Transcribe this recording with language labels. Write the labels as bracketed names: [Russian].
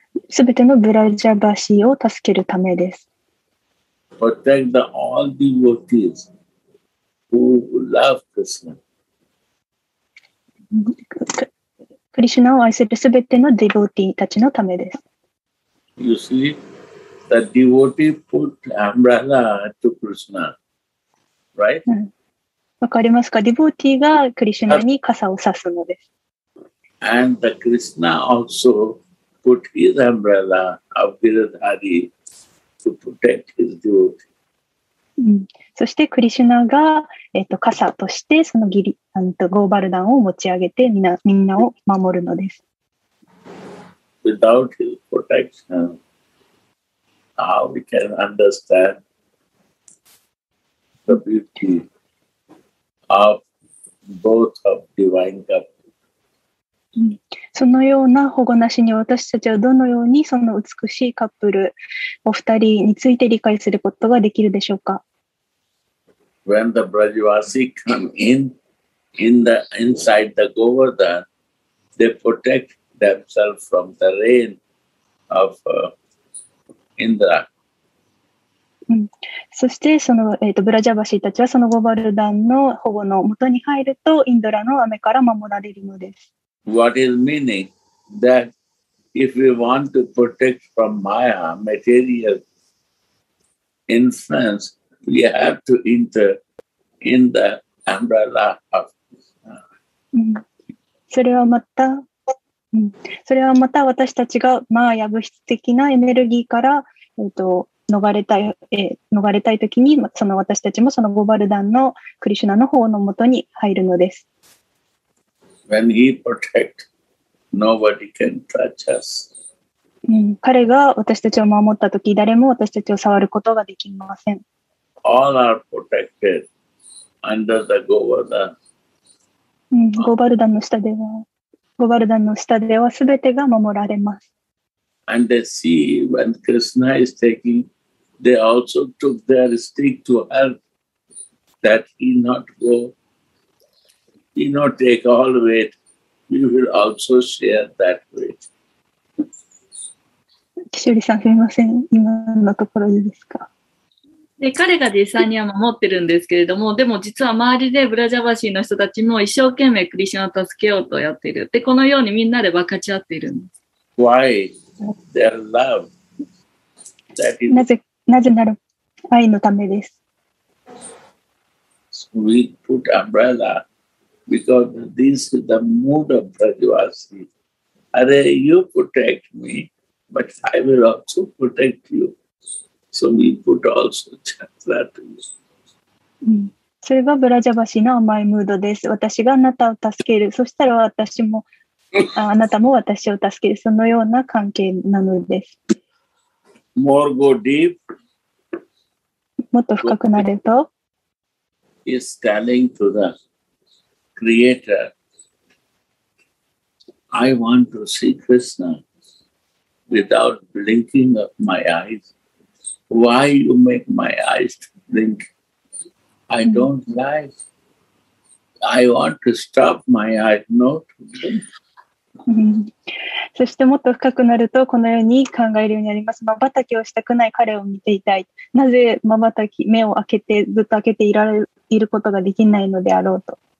[Japanese] すべてのブラジャバシを助けるためです。 [English] Protect the all devotees who love Krishna. [Japanese] クリシュナを愛するすべてのディボティたちのためです。 [English] You see, the devotee put umbrella to Krishna. Right? [Japanese] わかりますか？ディボーティーがクリシュナに傘を差すのです。 [English] And the Krishna also put his umbrella of Giridhari to protect his devotee. [Japanese] そしてクリシュナが、傘としてそのギリゴーバルダンを持ち上げてみんなを守るのです。 [English] Without his protection, how we can understand? The beauty of both of divine couple. [Japanese] そのような保護なしに私たちはどのようにその美しいカップルお二人について理解することができるでしょうか。 [English] When the Brajavasi come inside the Govardhan, they protect themselves from the rain of Indra. [Japanese] そしてその、ブラジャバシーたちはそのゴバルダンの保護のもとに入るとインドラの雨から守られるのです。 [English] What is meaning that if we want to protect from Maya material influence we have to enter in the umbrella of Krishna. [Japanese] それはまたそれはまた私たちがマーヤ物質的なエネルギーから、逃れたいときに、その私たちもそのゴバルダンのクリシュナの方のもとに入るのです。 [English] When he protect, nobody can touch us. [Japanese] 彼が私たちを守ったとき、誰も私たちを触ることができません。 [English] All are protected under the Govardhan. [Japanese] ゴバルダンの下では。ゴバルダンの下ではすべてが守られます。 [English] And they see when Krishna is taking, they also took their stick to help that he not go, he not take all weight. We will also share that weight. [Japanese] シュリさん、すみません。今のところでですか。で、彼が実際には守ってるんですけれども、でも実は周りでブラジャバシーの人たちも一生懸命クリシュナを助けようとやっている。で、このようにみんなで分かち合っているんです。 [English] Why? Their love. That is... [Japanese] なぜなら愛のためです。 [English] So we put umbrella because this is the mood of Brajavasi. Are you protect me, but I will also protect you. So we put also chakra to you. [Japanese] それがブラジャバシの甘いムードです。私があなたを助ける。そしたら私も、あなたも私を助ける。そのような関係なのです。 [English] More go deep. [Japanese] もっと深くなると。 [English] Is telling to the creator, I want to see Krishna without blinking of my eyes. Why you make my eyes blink? I don't like. I want to stop my eyes not to blink. [Japanese] そしてもっと深くなるとこのように考えるようになります。まばたきをしたくない彼を見ていたい。なぜまばたき、目を開けてずっと開けていられいることができないのであろうと。